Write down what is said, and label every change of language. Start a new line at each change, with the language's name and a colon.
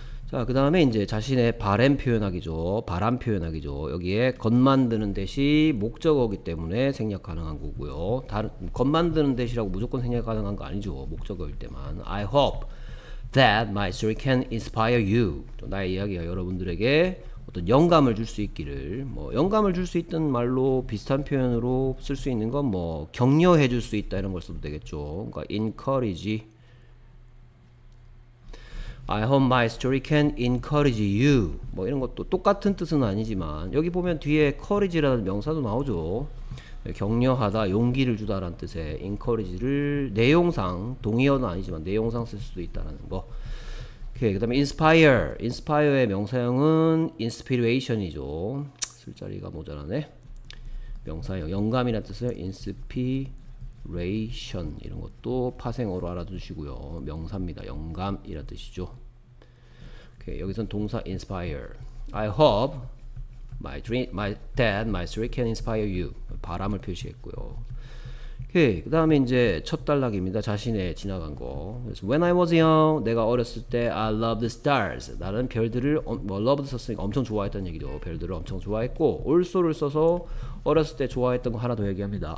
Korean: 자, 그 다음에 이제 자신의 바램 표현하기죠. 바람 표현하기죠. 여기에 겉 만드는 대시 목적어이기 때문에 생략 가능한 거고요. 겉 만드는 대시라고 무조건 생략 가능한 거 아니죠. 목적어일 때만.
English: I hope that my story can inspire you.
Korean: 나의 이야기가 여러분들에게 어떤 영감을 줄수 있기를, 뭐, 영감을 줄수 있던 말로 비슷한 표현으로 쓸수 있는 건 뭐, 격려해 줄수 있다 이런 걸 써도 되겠죠. 그러니까, encourage.
English: I hope my story can encourage you.
Korean: 뭐, 이런 것도 똑같은 뜻은 아니지만, 여기 보면 뒤에 courage라는 명사도 나오죠. 격려하다, 용기를 주다라는 뜻의 encourage를 내용상, 동의어는 아니지만, 내용상 쓸 수도 있다라는 거. 그 다음에 inspire. inspire의 명사형은 inspiration이죠. 술자리가 모자라네. 명사형. 영감이란 뜻이에요.
English: inspiration.
Korean: 이런 것도 파생어로 알아두시고요. 명사입니다. 영감이란 뜻이죠. 오케이, 여기선 동사 inspire.
English: I hope that my story can inspire you.
Korean: 바람을 표시했고요. 오케이, 그 다음에 이제 첫 단락입니다. 자신의 지나간 거. 그래서
English: When I was young,
Korean: 내가 어렸을 때
English: I loved stars.
Korean: 나는 별들을 뭐 loved 썼으니까 엄청 좋아했던 얘기죠. 별들을 엄청 좋아했고 also를 써서 어렸을 때 좋아했던 거 하나 더 얘기합니다.